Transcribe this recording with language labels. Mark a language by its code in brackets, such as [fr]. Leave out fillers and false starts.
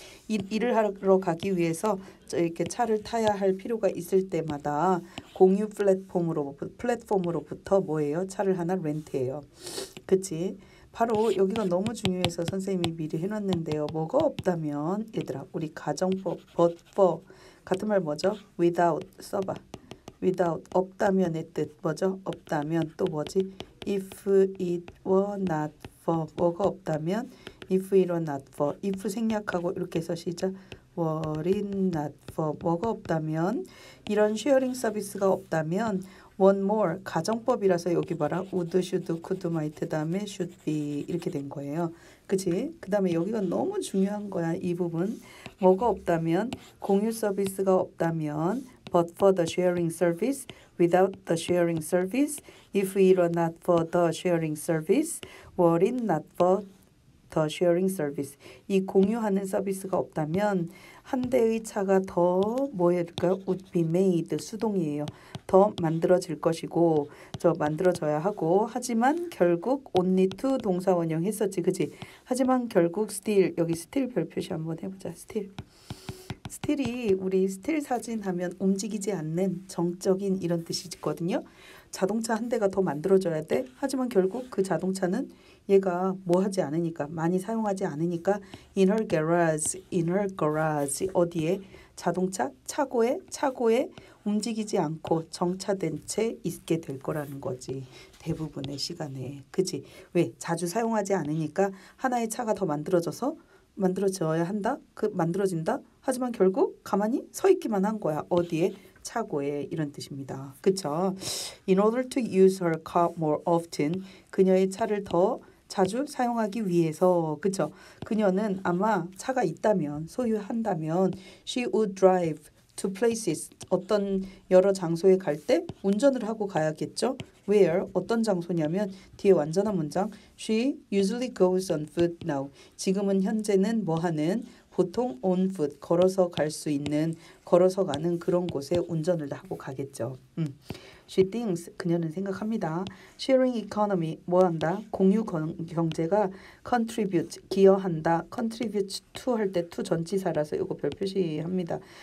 [ko] 일을 하러 가기 위해서 이렇게 차를 타야 할 필요가 있을 때마다 공유 플랫폼으로부터 뭐예요? 차를 하나 렌트해요. 그치? 바로 여기가 너무 중요해서 선생님이 미리 해놨는데요. 뭐가 없다면 얘들아 우리 가정법 but for 같은 말 뭐죠? without 써봐. without 없다면의 뜻 뭐죠? 없다면 또 뭐지? [en] If it were not for 뭐가 없다면 if it were not for if 생략하고 이렇게 해서 시작 were it not for 뭐가 없다면 이런 쉐어링 서비스가 없다면 [ko] one more [en] 가정법이라서 여기 봐라 would, should, could, might 다음에 should be 이렇게 된 거예요. [ko] 그치? 그 다음에 여기가 너무 중요한 거야 이 부분 뭐가 없다면 공유 서비스가 없다면 [en] But for the sharing service, without the sharing service, if it were not for the sharing service, were it not for the sharing service. [ko] 이 공유하는 서비스가 없다면 한 대의 차가 더 뭐일까요? [en] Would be made, [ko] 수동이에요. 더 만들어질 것이고, 저 만들어져야 하고, 하지만 결국 only to 동사원형 했었지, 그지? 하지만 결국 still, 여기 still 별 표시 한번 해보자, still. 스틸이 우리 스틸 사진 하면 움직이지 않는 정적인 이런 뜻이 있거든요. 자동차 한 대가 더 만들어져야 돼. 하지만 결국 그 자동차는 얘가 뭐 하지 않으니까 많이 사용하지 않으니까 in her garage 어디에 자동차 차고에 움직이지 않고 정차된 채 있게 될 거라는 거지. 대부분의 시간에. 그지? 왜? 자주 사용하지 않으니까 하나의 차가 더 만들어져야 한다. 그 만들어진다. 하지만 결국 가만히 서 있기만 한 거야. 어디에? 차고에 이런 뜻입니다. 그쵸? [en] In order to use her car more often, [ko] 그녀의 차를 더 자주 사용하기 위해서, 그쵸? 그녀는 아마 차가 있다면, 소유한다면, [en] she would drive to places, [ko] 어떤 여러 장소에 갈때 운전을 하고 가야겠죠? [en] Where, [ko] 어떤 장소냐면, 뒤에 완전한 문장, [en] she usually goes on foot now. [ko] 지금은 현재는 뭐 하는? 보통 on foot 걸어서 갈수 있는 걸어서 가는 그런 곳에 운전을 하고 가겠죠. She thinks 그녀는 생각합니다. Sharing economy 뭐 한다? 공유 경제가 contribute 기여한다. Contribute to 할때 to 전치사라서 이거 별 표시합니다.